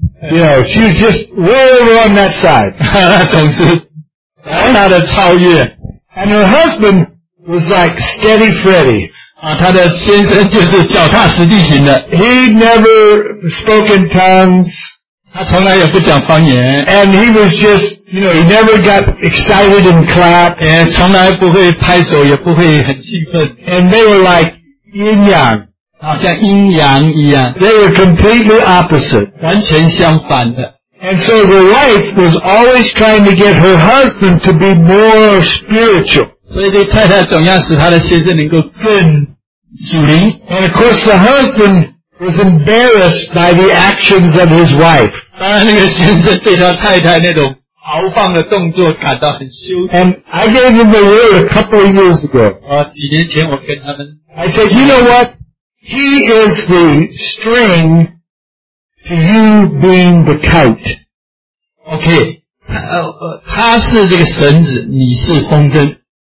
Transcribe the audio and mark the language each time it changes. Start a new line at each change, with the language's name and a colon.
English: You know, she's just way over on that side.
Chinese: 总是他的超越。
English: And her husband was like Steady Freddy.
Chinese: 他的先生就是脚踏实地型的。
English: He never spoke in tongues.
Chinese: 他从来也不讲方言。
English: And he was just, you know, he never got excited and clap.
Chinese: 也从来不会拍手，也不会很兴奋。
English: And they were like yin yang.
Chinese: 好像阴阳一样。
English: They were completely opposite.
Chinese: 完全相反的。
English: And so the wife was always trying to get her husband to be more spiritual.
Chinese: 所以这太太总要使她的先生能够更属灵。
English: And of course the husband,was embarrassed by the actions of his wife.
Chinese: 当然那个先生对他太太那种豪放的动作感到很羞耻。
English: And I gave him the word a couple of years ago.
Chinese: 几年前我跟他们。
English: I said, you know what? He is the string to you being the kite. Okay.
Chinese: 他是这个绳子，你是风筝。